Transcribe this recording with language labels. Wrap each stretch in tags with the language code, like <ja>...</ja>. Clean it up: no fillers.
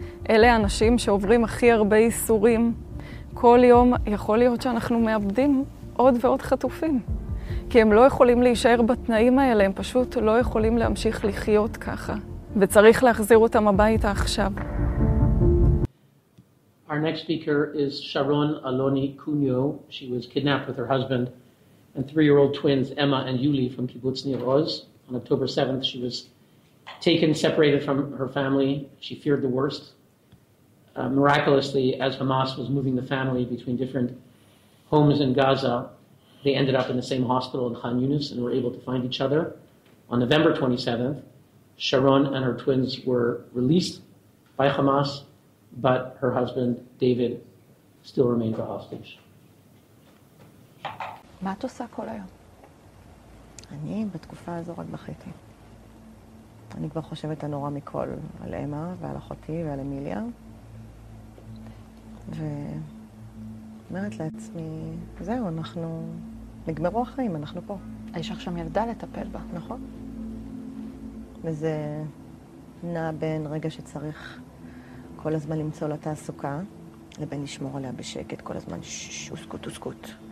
<he>אלה אנשים שעוברים הכי הרבה איסורים. כל יום יכול להיות שאנחנו מאבדים עוד ועוד חטופים. כי הם לא יכולים להישאר בתנאים האלה, הם פשוט לא יכולים להמשיך לחיות ככה. וצריך להחזיר אותם הביתה עכשיו.</he> <en>Our next speaker is Sharon Aloni-Cunio. She was kidnapped with her husband and three-year-old twins Emma and Yuli from Kibbutz Nir Oz. On October 7th, she was taken, separated from her family. She feared the worst. Miraculously, as Hamas was moving the family between different homes in Gaza, they ended up in the same hospital in Khan Yunis and were able to find each other. On November 27th, Sharon and her twins were released by Hamas, but her husband, David, still remained a hostage. What do you do every day? I'm in this time only waiting. I'm already thinking about all of them, Emma, and my sister, and Emilia.</en> <he>ואומרת לעצמי, זהו, אנחנו נגמרו החיים, אנחנו פה. יש לך שם ילדה לטפל בה. נכון. וזה נע בין רגע שצריך כל הזמן למצוא לתעסוקה, לבין לשמור עליה בשקט, כל הזמן שוסקוט וסקוט.</he>